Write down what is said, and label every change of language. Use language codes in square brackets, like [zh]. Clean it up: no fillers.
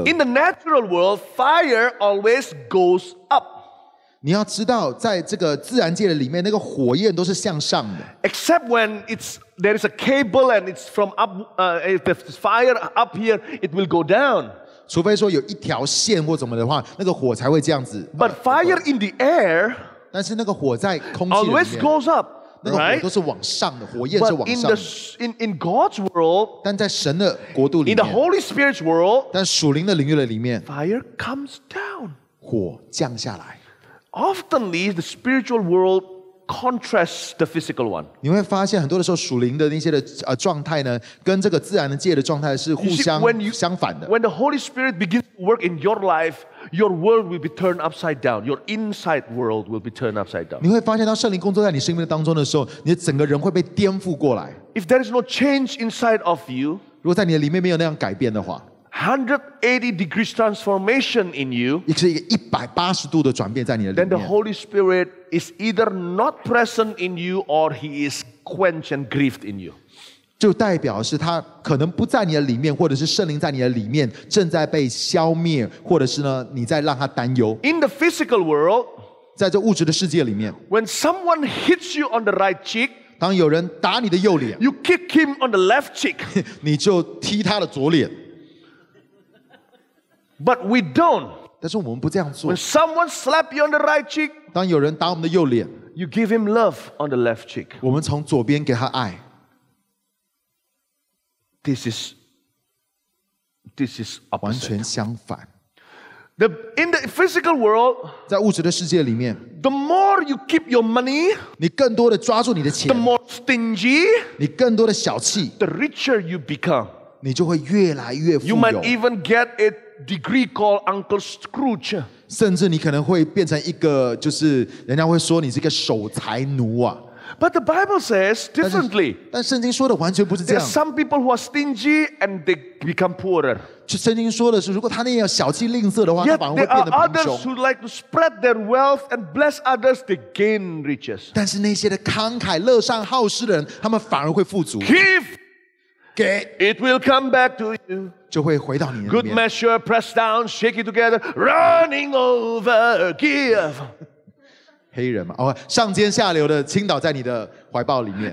[en] In the natural world, fire always goes up. [zh] 你要知道，在这个自然界里面，那个火焰都是向上的。 [en] Except when there is a cable and it's from up, if there's fire up here, it will go down. [zh] 除非说有一条线或怎么的话，那个火才会这样子。 [en] But fire in the air, [zh] 但是那个火在空气里面 [en] always goes up. [zh] 那个火都是往上的，火焰是往上的。 [en] But in God's world, [zh] 但在神的国度里面 [en] ，in the Holy Spirit's world, [zh] 但属灵的领域的里面 [en] ，fire comes down, [zh] 火降下来。 [en] Oftenly, the spiritual world contrasts the physical one. [zh] 你会发现很多的时候，属灵的那些的状态呢，跟这个自然的界的状态是互相 相反的。 [en] When the Holy Spirit begins to work in your life. Your world will be turned upside down. Your inside world will be turned upside down. [zh] 你会发现，当圣灵工作在你生命当中的时候，你的整个人会被颠覆过来。 [en] If there is no change inside of you, [zh] 如果在你的里面没有那样改变的话 [en] ，180 degrees transformation in you, [zh] 也是一个180度的转变在你的里面。 [en] Then the Holy Spirit is either not present in you, or he is quenched and grieved in you. [zh] 就代表是他可能不在你的里面，或者是圣灵在你的里面正在被消灭，或者是呢你在让他担忧。 [en] In the physical world, [zh] 在这物质的世界里面 [en] ，When someone hits you on the right cheek, [zh] 当有人打你的右脸 [en] ，You kick him on the left cheek, [zh] 你就踢他的左脸。 [en] But we don't. [zh] 但是我们不这样做。 [en] When someone slap you on the right cheek, [zh] 当有人打我们的右脸 [en] ，You give him love on the left cheek. [zh] 我们从左边给他爱。 [en] This is opposite. [zh] 完全相反。 [en] In the physical world, [zh] 在物质的世界里面 [en] ，the more you keep your money, [zh] 你更多的抓住你的钱 [en] ；the more stingy, [zh] 你更多的小气 [en] ；the richer you become, [zh] 你就会越来越富有。 [en] You might even get a degree called Uncle Scrooge. [zh] 甚至你可能会变成一个，就是人家会说你是一个守财奴啊。 [en] But the Bible says differently. [zh] 但圣经说的完全不是这样。 [en] There are some people who are stingy and they become poorer. [zh] 圣经说的是，如果他那样小气吝啬的话，他反而会变得贫穷。 [en] Yet there are others who like to spread their wealth and bless others, they gain riches. [zh] 但是那些的慷慨乐善好施的人，他们反而会富足。 [en] Give, [zh] 给 [en] ，it will come back to you. [zh] 就会回到你那边。 [en] Good measure, pressed down, shake it together, running over, give. [zh] 黑人嘛，哦，上尖下流的倾倒在你的怀抱里面。